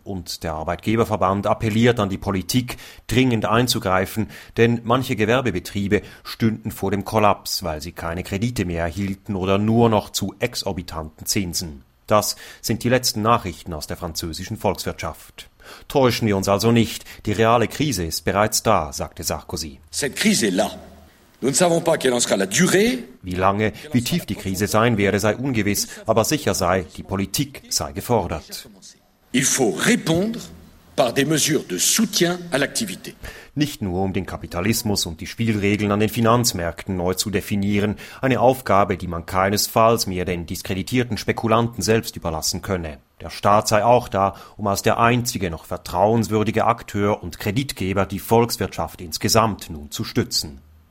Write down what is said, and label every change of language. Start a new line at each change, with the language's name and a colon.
German: Und der Arbeitgeberverband appelliert an die Politik, dringend einzugreifen, denn manche Gewerbebetriebe stünden vor dem Kollaps, weil sie keine Kredite mehr erhielten oder nur noch zu exorbitanten Zinsen. Das sind die letzten Nachrichten aus der französischen Volkswirtschaft. Täuschen wir uns also nicht, die reale Krise ist bereits da, sagte Sarkozy.
French: Cette crise est là. Nous ne savons pas quelle en sera la durée.
German: Wie lange, wie tief die Krise sein werde, sei ungewiss, aber sicher sei, die Politik sei gefordert.
French: Il faut répondre par des mesures de soutien à l'activité.
German: Nicht nur um den Kapitalismus und die Spielregeln an den Finanzmärkten neu zu definieren, eine Aufgabe, die man keinesfalls mehr den diskreditierten Spekulanten selbst überlassen könne. Der Staat sei auch da, um als der einzige noch vertrauenswürdige Akteur und Kreditgeber die Volkswirtschaft insgesamt nun zu stützen.